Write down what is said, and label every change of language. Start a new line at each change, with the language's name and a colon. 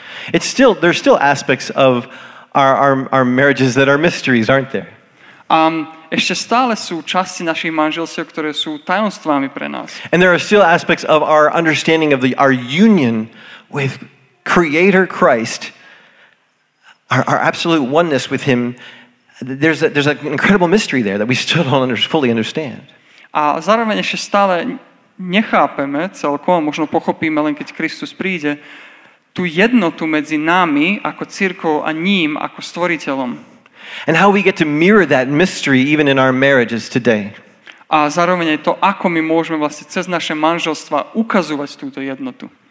English: There's still aspects of our marriages that are mysteries, aren't there?
Slovak: Ešte stále sú časti našich manželstiev, ktoré sú tajomstvami pre nás.
English: And there are still aspects of our understanding of our union with Creator Christ, our absolute oneness with him. There's an incredible mystery there that we still don't fully understand.
Slovak: A zároveň ešte stále nechápeme celkom, možno pochopíme len keď Kristus príde, tú jednotu medzi nami ako cirkvou a ním ako stvoriteľom.
English: And how we get to mirror that mystery even in our marriages today.
Slovak: A zároveň aj to, ako my môžeme vlastne cez naše manželstva ukazovať túto jednotu.